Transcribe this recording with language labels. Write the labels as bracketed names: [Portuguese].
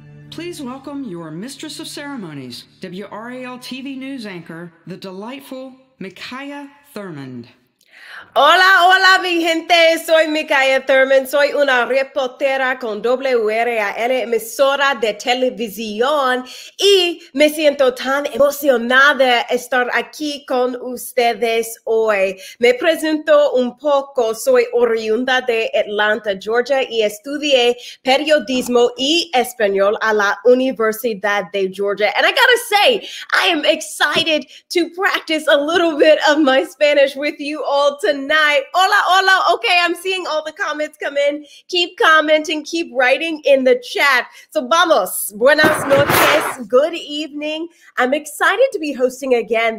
[English] Please welcome your mistress of ceremonies, WRAL-TV news anchor, the delightful Mikaya Thurmond. [Spanish] Hola, hola, mi gente. Soy Mikaya Thurmond. Soy una reportera con WRAL, emisora de televisión. Y me siento tan emocionada estar aquí con ustedes hoy. Me presento un poco. Soy oriunda de Atlanta, Georgia, y estudié periodismo y español a la Universidad de Georgia. [English] And I gotta say, I am excited to practice a little bit of my Spanish with you all tonight. [Spanish] Hola, hola. [English] Okay, I'm seeing all the comments come in. Keep commenting, keep writing in the chat. So vamos. [Spanish] Buenas noches. [English] Good evening. I'm excited to be hosting again.